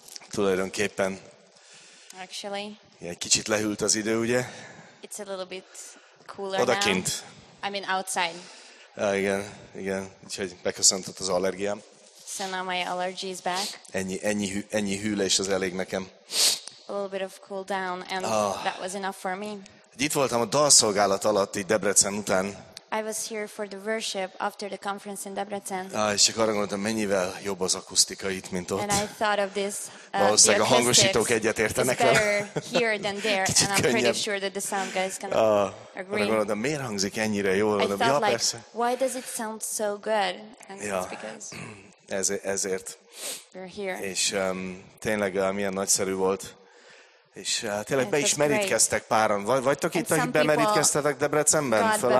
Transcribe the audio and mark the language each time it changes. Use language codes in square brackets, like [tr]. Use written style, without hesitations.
[hu] Tulajdonképpen. [en] Actually. [hu] Egy kicsit lehűlt az idő, ugye? [en] It's a little bit cooler now. [hu] Odakint. [en] I mean outside. [hu] Igen. Úgyhogy beköszöntött az allergiám. [en] So now my allergy is back. [hu] Ennyi hűlés az elég nekem. [en] A little bit of cool down and that was enough for me. [hu] Itt voltam a dalszolgálat alatt, így Debrecen után. [en] I was here for the worship after the conference in Debrecen. [hu] És csak arra gondoltam, mennyivel jobb az akusztika itt, mint ott. [en] And I thought of this. [hu] Valószínűleg a hangosítók egyet értenek vele. [en] It's better here than there, and I'm pretty sure that the sound guys can agree. [hu] Arra gondoltam, miért hangzik ennyire jól? [en] I thought [hu] persze. [en] Why does it sound so good? And yeah. It's because [hu] ezért. [en] We're here. [hu] És tényleg milyen nagyszerű volt. És tényleg be is merítkeztek páran. Vagytok itt, akik bemerítkeztetek Debrecenben?